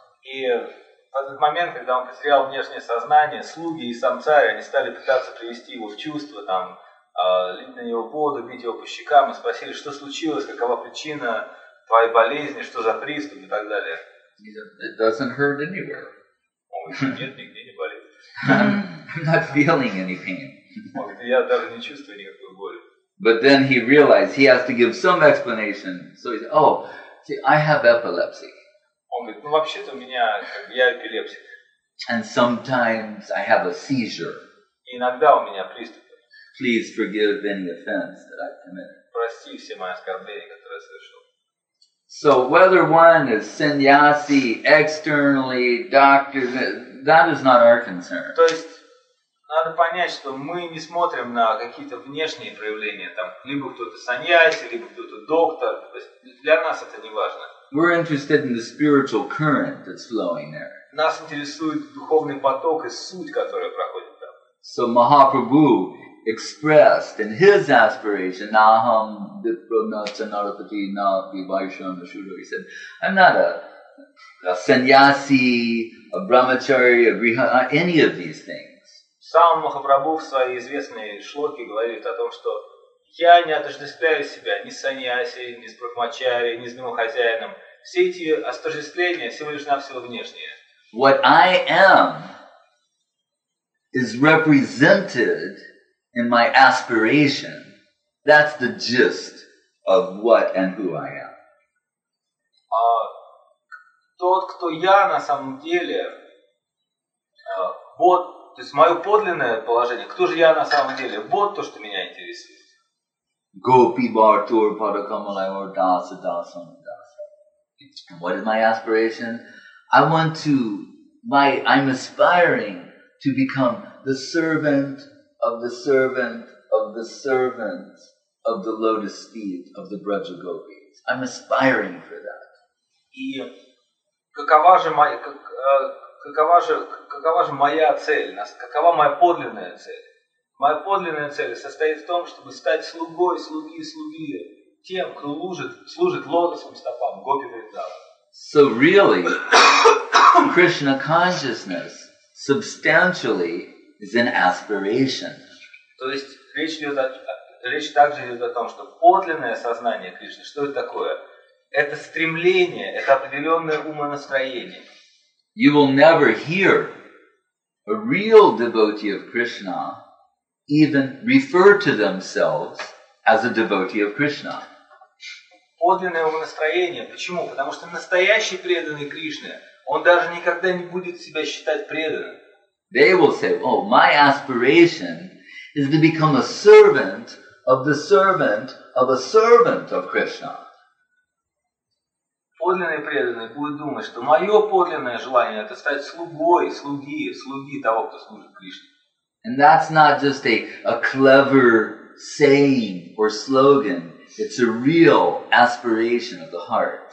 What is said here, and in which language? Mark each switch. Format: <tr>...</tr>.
<ru>И в этот момент, когда он потерял внешнее сознание, слуги и сам царь, они стали пытаться привести его в чувство там. Лить на него воду, бить его по щекам и спросили, что случилось, какова причина твоей болезни, что за приступ и так далее.</ru> <en>It doesn't hurt anywhere.</en> <ru>Нет, нигде не болит.</ru> <en>I'm not feeling any pain.</en> <ru>Я даже не чувствую никакой боли.</ru> <en>But then he realized he has to give some explanation. So he said, oh, see, I have epilepsy.</en> <ru>Он говорит, ну вообще-то у меня, я эпилепсик.</ru> <en>And sometimes I have a seizure.</en> <ru>Иногда у меня приступ.</ru> <en>Please forgive any offense that I've committed.</en> <ru>Прости все мои оскорбления, которые я совершил.</ru> <en>So whether one is sannyasi externally, doctor, that is not our concern.</en> <ru>То есть надо понять, что мы не смотрим на какие-то внешние проявления там, либо кто-то саньяси, либо кто-то доктор. То есть для нас это не важно.</ru> <en>We're interested in the spiritual current that's flowing there.</en> <ru>Нас интересует духовный поток и суть, которая проходит там.</ru> <en>So Mahaprabhu expressed in his aspiration,</en> <sa>Naham Vipranacha Narapati Na Vibhaishana Shudra.</sa> <en>He said, I'm not a sannyasi, a brahmachari, a griha, any of these things.</en> <ru>Сам Махапрабху в своей известной шлоке говорит о том, что я не отождествляю себя ни с саньяси, ни с брахмачари, ни с домохозяином. Все эти отождествления всего лишь навсего внешние.</ru> <en>What I am is represented in my aspiration, that's the gist of what and who I am.</en> <ru>Тот, кто я на самом деле, вот, то есть мое подлинное положение, кто же я на самом деле, вот то, что меня интересует.</ru> <sa>Gopi Bhartur Padakamalayor Dasa Dasam Dasa.</sa> <en>What is my aspiration? I'm aspiring to become the servant of the servant of the servant of the lotus feet of the Braja Gopis. I'm aspiring for that.</en> <ru>И какова же моя какова же моя цель? Какова моя подлинная цель? Моя подлинная цель состоит в том, чтобы стать слугой слуги слуги тем, кто служит лотосным стопам Гопи Вриндава.</ru> <en>So really, Krishna consciousness substantially is an aspiration.</en> <ru>То есть речь также идет о том, что подлинное сознание Кришны, что это такое? Это стремление, это определенное умонастроение.</ru> <en>You will never hear a real devotee of Krishna even refer to themselves as a devotee of Krishna.</en> <ru>Подлинное умонастроение. Почему? Потому что настоящий преданный Кришне, он даже никогда не будет себя считать преданным.</ru> <en>They will say, oh, my aspiration is to become a servant of the servant of a servant of Krishna.</en> <ru>Подлинный преданный будет думать, что мое подлинное желание это стать слугой, слуги, слуги того, кто служит Кришне.</ru> <en>And that's not just a clever saying or slogan. It's a real aspiration of the heart.</en>